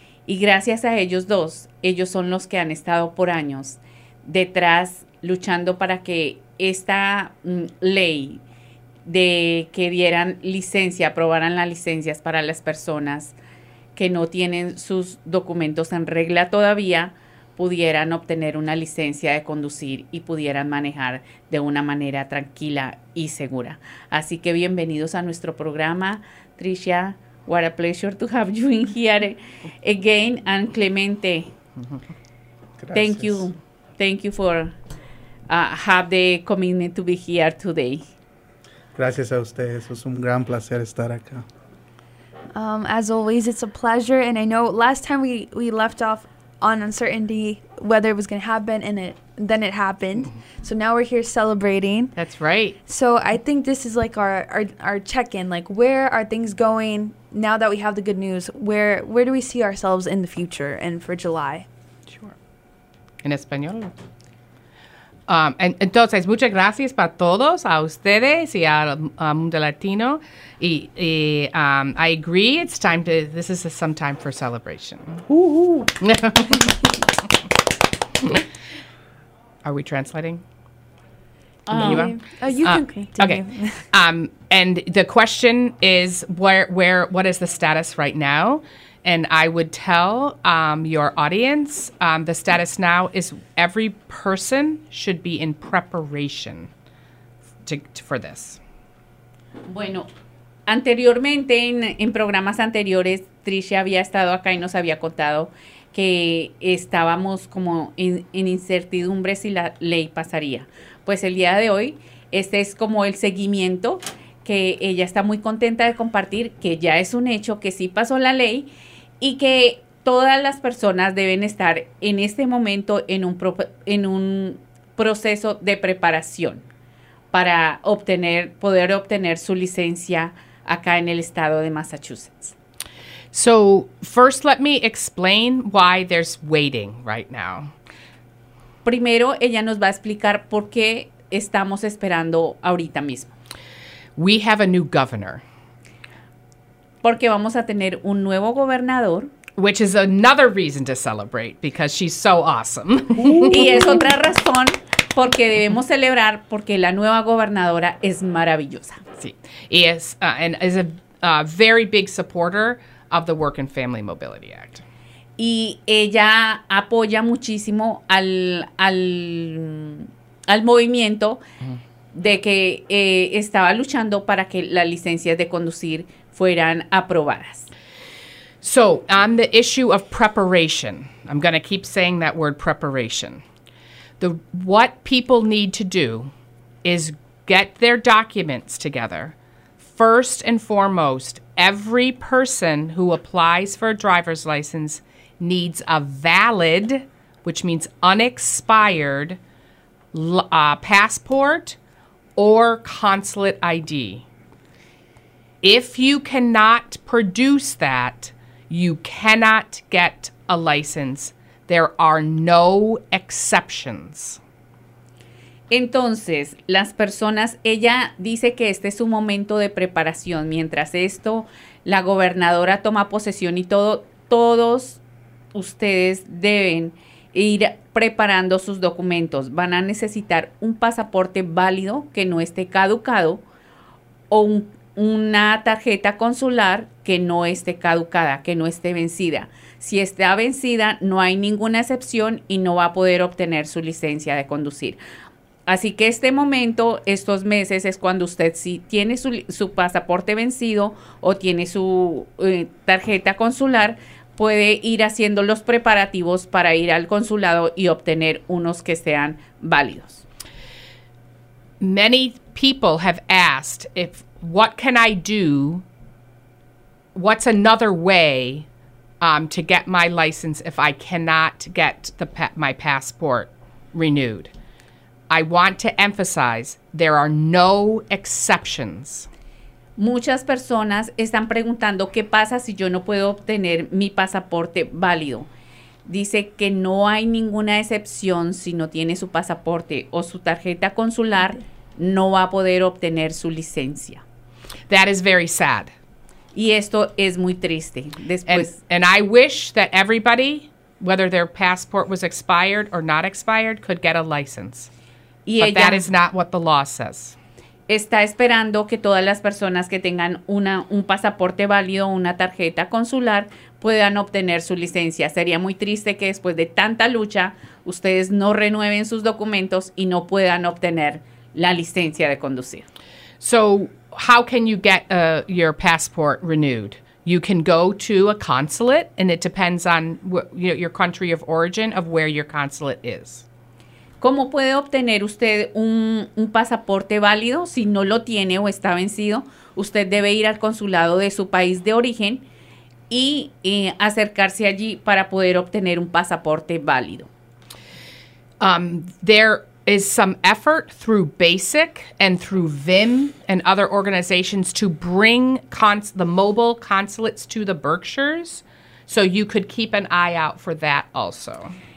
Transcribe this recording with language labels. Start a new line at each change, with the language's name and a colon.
Spanish: Y gracias a ellos dos, ellos son los que han estado por años detrás luchando para que esta ley de que dieran licencia, aprobaran las licencias para las personas que no tienen sus documentos en regla todavía, pudieran obtener una licencia de conducir y pudieran manejar de una manera tranquila y segura. Así que bienvenidos a nuestro programa.
English: Trisha, what a pleasure to have you in here again. And Clemente,
Spanish: gracias.
English: Thank you for have the commitment to be here today.
Spanish: Gracias a ustedes, es un gran placer estar acá.
English: As always, it's a pleasure, and I know last time we left off on uncertainty whether it was going to happen, and then it happened. So now we're here celebrating. That's right. So I think this is like our check-in, like where are things going now that we have the good news? Where do we see ourselves in the future and for July? Sure.
Spanish: En español. Entonces, muchas gracias para todos, a ustedes y al mundo latino. Y
English: I agree, it's time to, this is some time for celebration. Woo-hoo. Are we translating? You can continue. And the question is, where what is the status right now? And I would tell your audience, the status now is every person should be in preparation for this.
Spanish: Bueno, anteriormente, en programas anteriores, Trisha había estado acá y nos había contado que estábamos como en incertidumbre si la ley pasaría. Pues el día de hoy, este es como el seguimiento que ella está muy contenta de compartir, que ya es un hecho que sí pasó la ley, y que todas las personas deben estar en este momento en un proceso de preparación para poder obtener su licencia acá en el estado de Massachusetts.
English: So, first let me explain why there's waiting right now.
Spanish: Primero, ella nos va a explicar por qué estamos esperando ahorita mismo.
English: We have a new governor.
Spanish: Porque vamos a tener un nuevo gobernador.
English: Which is another reason to celebrate, because she's so awesome.
Spanish: Y es otra razón porque debemos celebrar, porque la nueva gobernadora es maravillosa. Sí. Y es,
English: and is a very big supporter of the Work and Family Mobility Act.
Spanish: Y ella apoya muchísimo al movimiento de que estaba luchando para que las licencias de conducir fueran aprobadas.
English: So, on the issue of preparation, I'm going to keep saying that word preparation. What people need to do is get their documents together. First and foremost, every person who applies for a driver's license needs a valid, which means unexpired, passport or consulate ID. If you cannot produce that, you cannot get a license. There are no exceptions.
Spanish: Entonces, las personas, ella dice que este es un momento de preparación. Mientras esto, la gobernadora toma posesión y todos ustedes deben ir preparando sus documentos. Van a necesitar un pasaporte válido que no esté caducado o una tarjeta consular que no esté caducada, que no esté vencida. Si está vencida, no hay ninguna excepción y no va a poder obtener su licencia de conducir. Así que este momento, estos meses, es cuando usted sí tiene su pasaporte vencido o tiene su tarjeta consular, puede ir haciendo los preparativos para ir al consulado y obtener unos que sean válidos.
English: Many people have asked what can I do? What's another way to get my license if I cannot get the my passport renewed. I want to emphasize there are no exceptions.
Spanish: Muchas personas están preguntando qué pasa si yo no puedo obtener mi pasaporte válido. Dice que no hay ninguna excepción si no tiene su pasaporte o su tarjeta consular, no va a poder obtener su licencia.
English: That is very sad.
Spanish: Y esto es muy triste. Después,
English: and I wish that everybody, whether their passport was expired or not expired, could get a license.
Spanish: Y
English: but
Spanish: ella,
English: that is not what the law says.
Spanish: Está esperando que todas las personas que tengan un pasaporte válido, una tarjeta consular, puedan obtener su licencia. Sería muy triste que después de tanta lucha, ustedes no renueven sus documentos y no puedan obtener la licencia de conducir.
English: So, how can you get your passport renewed? You can go to a consulate, and it depends on your country of origin of where your consulate is.
Spanish: ¿Cómo puede obtener usted un pasaporte válido si no lo tiene o está vencido? Usted debe ir al consulado de su país de origen y acercarse allí para poder obtener un pasaporte válido.
English: There is some effort through BASIC and through VIM and other organizations to bring the mobile consulates to the Berkshires, so you could keep an eye out for that also.